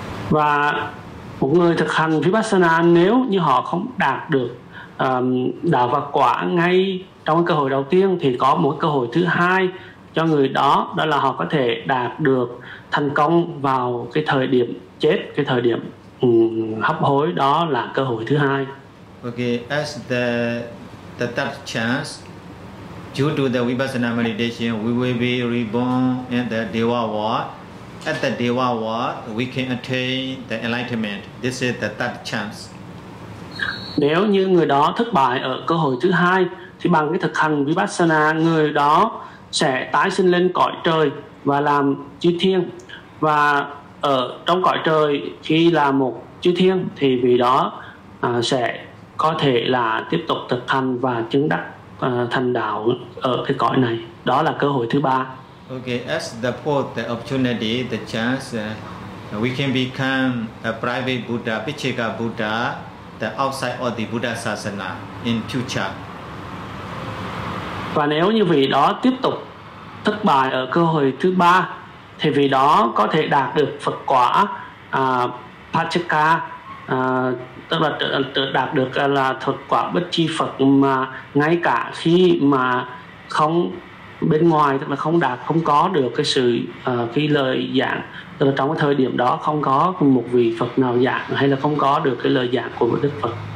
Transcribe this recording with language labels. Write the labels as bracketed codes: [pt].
[vi] Và một người thực hành Vipassana nếu như họ không đạt được đạo và quả ngay trong cơ hội đầu tiên thì có một cơ hội thứ hai cho người đó, đó là họ có thể đạt được thành công vào cái thời điểm chết, cái thời điểm hấp hối, đó là cơ hội thứ hai. [en] Okay, as the third chance, due to the Vipassana meditation, we will be reborn in the Deva world. At the Deva world, we can attain the enlightenment. This is the third chance. [vi] Nếu như người đó thất bại ở cơ hội thứ hai, thì bằng cái thực hành Vipassana, người đó sẽ tái sinh lên cõi trời và làm chư thiên. Và ở trong cõi trời, khi là một chư thiên, thì vì đó sẽ có thể là tiếp tục thực hành và chứng đắc thành đạo ở cái cõi này. Đó là cơ hội thứ ba. [en] Okay, as the fourth opportunity, the chance, We can become a private Buddha, Pichika Buddha, the outside of the Buddha Sasana in future. [vi] Và nếu như vị đó tiếp tục thất bại ở cơ hội thứ ba, thì vị đó có thể đạt được Phật quả Pachaka, tức là đạt được là thuật quả bất chi Phật mà ngay cả khi mà không bên ngoài, tức là không đạt, không có được cái sự cái lời giảng, tức là trong cái thời điểm đó không có một vị Phật nào giảng hay là không có được cái lời giảng của Đức Phật.